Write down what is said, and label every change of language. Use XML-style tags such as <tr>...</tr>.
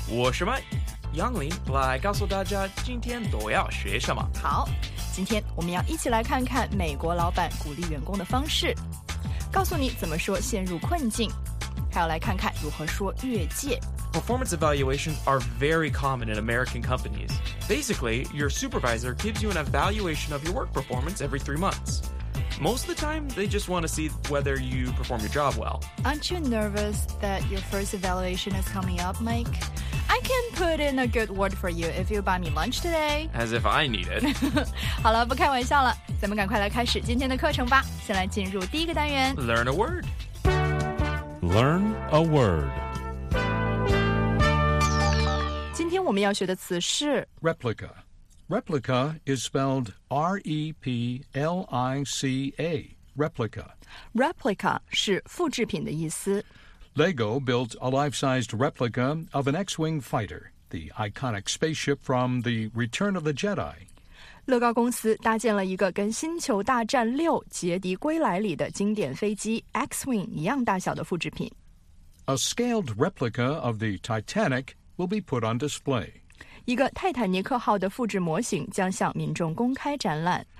<zh>我是麦。杨林来告诉大家今天都要学什么。好，今天我们要一起来看看美国老板鼓励员工的方式，告诉你怎么说陷入困境，还要来看看如何说越界。</zh> <en>Performance evaluations are very common in American companies. Basically, your supervisor gives you an evaluation of your work performance every 3 months. Most of the time, they just want to see whether you perform your job well. Aren't you nervous that your first evaluation is coming up, Mike? I can put in a good word for you if you buy me lunch today. As if I need it.</en> <zh>好了，不开玩笑了，咱们赶快来开始今天的课程吧。先来进入第一个单元。</zh> <en>Learn a word. Learn a word.</en> <zh>今天我们要学的词是</zh> <en>replica. Replica is spelled R-E-P-L-I-C-A. Replica.</en> <zh>Replica 是复制品的意思。</zh> <en>Lego built a life-sized replica of an X-wing fighter, the iconic spaceship from the Return of the Jedi.</en> <zh>乐高公司搭建了一个跟《星球大战六：杰迪归来》里的经典飞机 X-wing 一样大小的复制品。</zh> <en>A scaled replica of the Titanic. Will be put on display.</en> <zh>一个泰坦尼克号的复制模型将向民众公开展览。</zh>